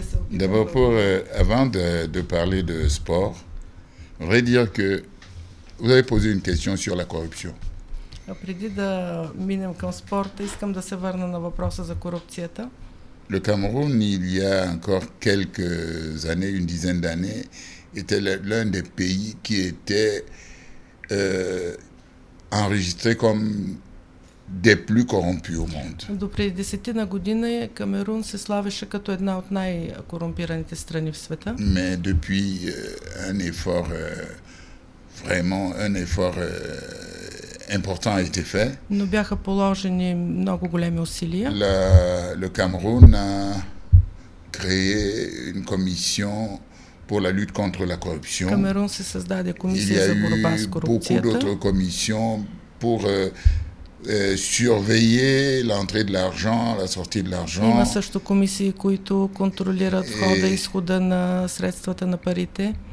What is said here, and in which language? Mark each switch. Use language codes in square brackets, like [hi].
[fr] D'abord, avant de parler de sport, je voudrais dire que vous avez posé une question sur la corruption. [bg] Преди да минем към спорта, искам да се върна на въпроса за корупцията. [fr] Le Cameroun, il y a encore quelques années, une dizaine d'années, était l'un des pays qui était enregistré comme des plus corrompus au monde. [bg] До преди десетина година Камерун се славеше като една от най-корумпираните страни в света. [fr] Mais depuis un effort vraiment un effort important a été fait. [bg] Но бяха положени много големи усилия. [fr] Le Cameroun a créé une commission pour la lutte contre la corruption. [bg] Камерун се създаде комисия за борба с корупцията. [fr] Beaucoup d'autres commissions pour surveiller l'entrée de l'argent, la sortie de l'argent. [bg] Има също комисии, които контролират входа и изхода на средствата на парите.